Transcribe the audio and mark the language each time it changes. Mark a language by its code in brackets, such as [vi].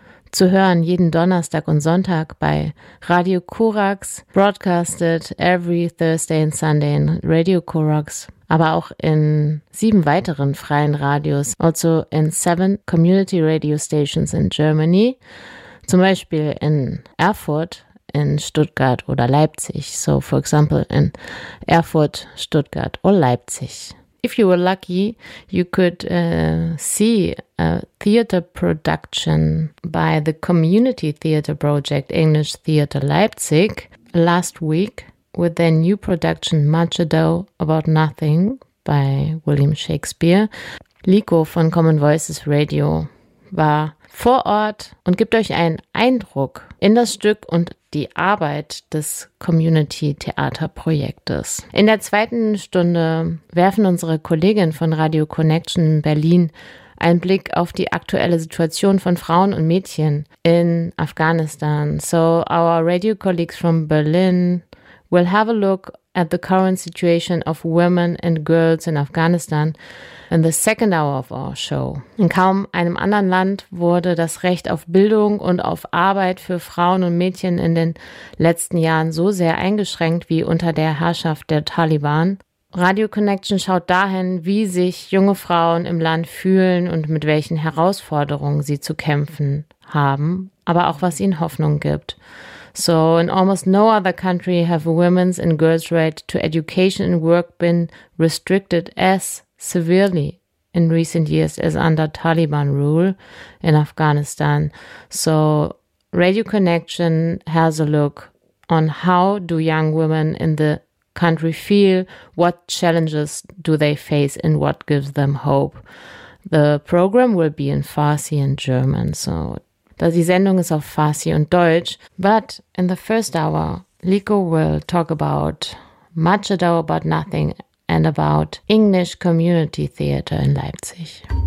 [de] Zu hören jeden Donnerstag und Sonntag bei Radio Korax, [en] broadcasted every Thursday and Sunday in Radio Korax, [de] aber auch [en] in 7 weiteren freien Radios, also in 7 Community Radio Stations in Germany, [de] zum Beispiel in Erfurt, in Stuttgart oder Leipzig. [en] So, for example, in Erfurt, Stuttgart or Leipzig. If you were lucky, you could see a theater production by the Community Theater Project English Theater Leipzig last week with their new production Much Ado About Nothing by William Shakespeare. [de] Liko von Common Voices Radio war vor Ort und gibt euch einen Eindruck in das Stück und die Arbeit des Community-Theater-Projektes. In der zweiten Stunde werfen unsere Kolleginnen von Radio Connection Berlin einen Blick auf die aktuelle Situation von Frauen und Mädchen in Afghanistan. [en] So our radio colleagues from Berlin will have a look at the current situation of women and girls in Afghanistan in the second hour of our show. [de] In kaum einem anderen Land wurde das Recht auf Bildung und auf Arbeit für Frauen und Mädchen in den letzten Jahren so sehr eingeschränkt wie unter der Herrschaft der Taliban. Radio Connection schaut dahin, wie sich junge Frauen im Land fühlen und mit welchen Herausforderungen sie zu kämpfen haben, aber auch was ihnen Hoffnung gibt. [en] So, in almost no other country have women's and girls' right to education and work been restricted as severely in recent years as under Taliban rule in Afghanistan. So, Radio Connection has a look on how do young women in the country feel, what challenges do they face, and what gives them hope. The program will be in Farsi and German, so [de] die Sendung ist auf Farsi und Deutsch. [en] But in the first hour, Liko will talk about Much Ado About Nothing and about English Community Theater in Leipzig.